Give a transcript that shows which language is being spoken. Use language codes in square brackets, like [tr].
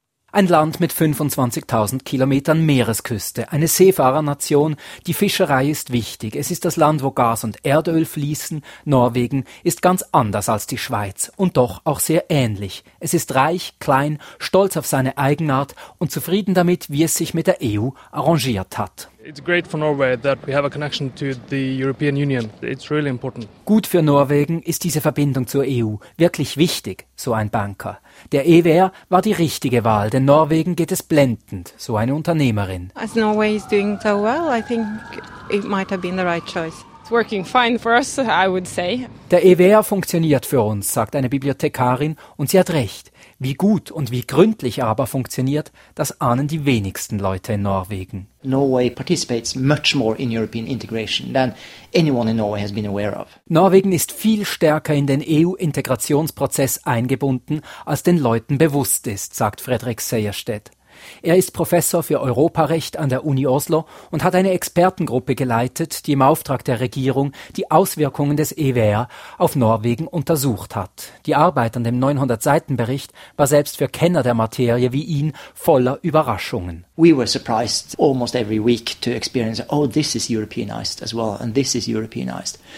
[de] Ein Land mit 25.000 Kilometern Meeresküste, eine Seefahrernation. Die Fischerei ist wichtig. Es ist das Land, wo Gas und Erdöl fließen. Norwegen ist ganz anders als die Schweiz und doch auch sehr ähnlich. Es ist reich, klein, stolz auf seine Eigenart und zufrieden damit, wie es sich mit der EU arrangiert hat. [en] It's great for Norway that we have a connection to the European Union. It's really important. [de] Gut für Norwegen ist diese Verbindung zur EU. Wirklich wichtig, so ein Banker. Der EWR war die richtige Wahl, denn Norwegen geht es blendend, so eine Unternehmerin. [en] As Norway is doing so well, I think it might have been the right choice. It's working fine for us, I would say. [de] Der EWR funktioniert für uns, sagt eine Bibliothekarin, und sie hat recht. Wie gut und wie gründlich er aber funktioniert, das ahnen die wenigsten Leute in Norwegen. [en] Norway participates much more in European integration than anyone in Norway has been aware of. [de] Norwegen ist viel stärker in den EU-Integrationsprozess eingebunden, als den Leuten bewusst ist, sagt Fredrik Sejerstedt. Er ist Professor für Europarecht an der Uni Oslo und hat eine Expertengruppe geleitet, die im Auftrag der Regierung die Auswirkungen des EWR auf Norwegen untersucht hat. Die Arbeit an dem 900-Seiten-Bericht war selbst für Kenner der Materie wie ihn voller Überraschungen. [en] We were surprised almost every week to experience, oh, this is Europeanized as well, and this is Europeanized.